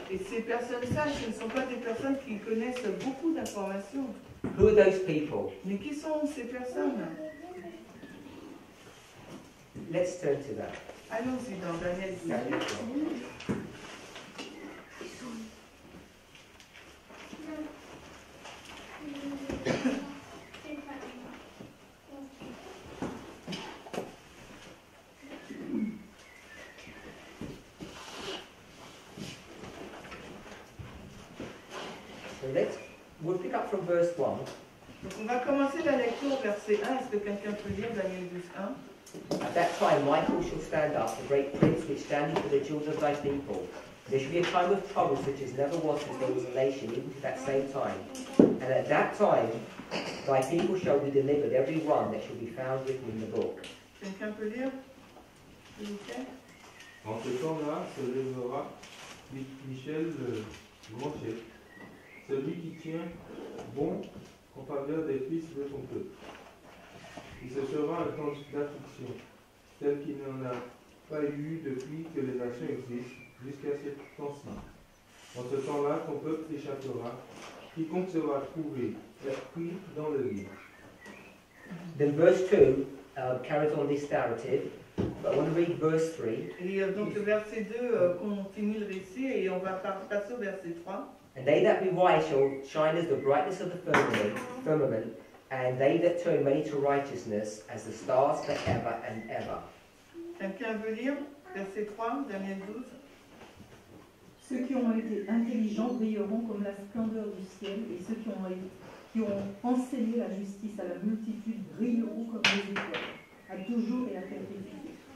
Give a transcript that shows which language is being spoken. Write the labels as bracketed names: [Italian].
[French] Et ces personnes sages ne sont pas des personnes qui connaissent beaucoup d'informations. [English] Who are those people? [French] Mais qui sont ces personnes? [English] Let's turn to that. [French] Allons-y dans Daniel 12. [English] Verse 1. [French] On va commencer la lecture au verset 1. Est-ce que quelqu'un peut lire Daniel 12, 1? [English] At that time, Michael shall stand up, the great prince which standeth for the children of thy people. There shall be a time of trouble such as never was since there was a nation, even to that same time. And at that time, thy people shall be delivered, every one that shall be found written in the book. [French] Quelqu'un peut lire? En ce temps-là, se lèvera Michel le grand chef. Celui qui tient bon en faveur des fils de son peuple. Il se sera un temps d'affliction, tel qu'il n'en a pas eu depuis que les nations existent, jusqu'à ce temps-ci. En ce temps-là, ton peuple échappera, quiconque sera trouvé, est pris dans le livre. [English] Then verse 2 carries on this narrative. But I want to read verse 3. [French] Et donc le verset 2 continue le récit et on va passer au verset 3. [English] And they that be wise shall shine as the brightness of the firmament, and they that turn many to righteousness as the stars for ever and ever. [French] Quelqu'un veut lire verset 3, Daniel 12. Ceux qui ont été intelligents brilleront comme la splendeur du ciel, et ceux qui ont enseigné la justice à la multitude brilleront comme les étoiles, à toujours et à perpétuité.